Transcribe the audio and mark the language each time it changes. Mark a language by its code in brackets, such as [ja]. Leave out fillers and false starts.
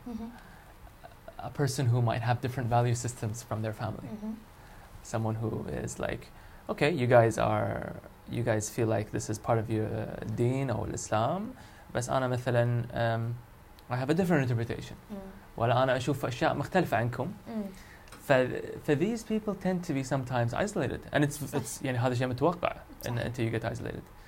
[en] mm-hmm. a person who might have different value systems from their family, mm-hmm. someone who is like, okay, you guys feel like this is part of your deen or Islam, [ar] بس أنا مثلاً, [en] I have a different interpretation. [ar] ولا أنا أشوف أشياء مختلفة عنكم. [en] For these people tend to be sometimes isolated, and it's you know how the shame to walk by until you get isolated.